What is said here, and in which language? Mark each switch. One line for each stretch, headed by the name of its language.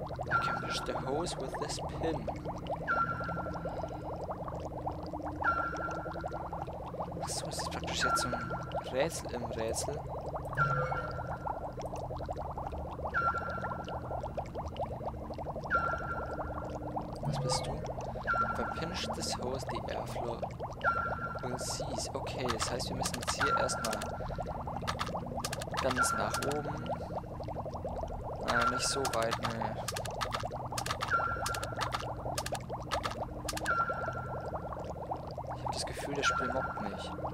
English: I can push the hose with this pin.
German: Achso, ist das praktisch jetzt so ein Rätsel im Rätsel? Was bist du?
English: If I pinch this hose, the airflow will cease.
German: Okay, das heißt, wir müssen jetzt hier erstmal ganz nach oben. Nicht so weit, ne. Ich habe das Gefühl, das Spiel mobbt mich.